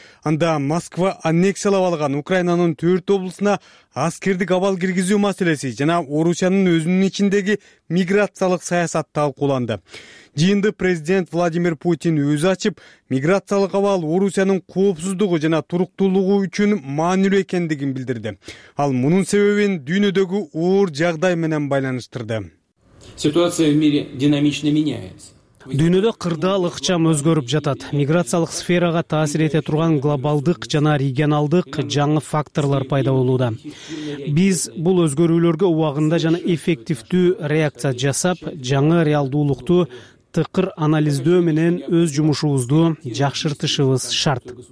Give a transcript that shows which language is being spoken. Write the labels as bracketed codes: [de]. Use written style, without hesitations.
[ky] Анда Москва аннексиялап алган Украинанын 4 облусуна аскердик абал киргизүү маселеси жана Орусиянын өзүнүн ичиндеги миграциялык саясат талкууланды. Жыйынды президент Владимир Путин өзү ачып, миграциялык абал Орусиянын коопсуздугу жана туруктуулугу үчүн маанилүү экендигин билдирди. Ал мунун себебин дүйнөдөгү оор жагдай менен байланыштырды. [ru] Ситуация в мире динамично меняется. [ky] Дүйнөдө кырдаал ыкчам өзгөрүп жатат. Миграциялык сферага таасир эте турган глобалдык жана регионалдык жаңы факторлор пайда болууда. Биз бул өзгөрүүлөргө убагында жана эффективдүү реакция жасап, жаңы реалдуулукту тыкыр анализдөө менен өз жумушубузду жакшыртышыбыз шарт.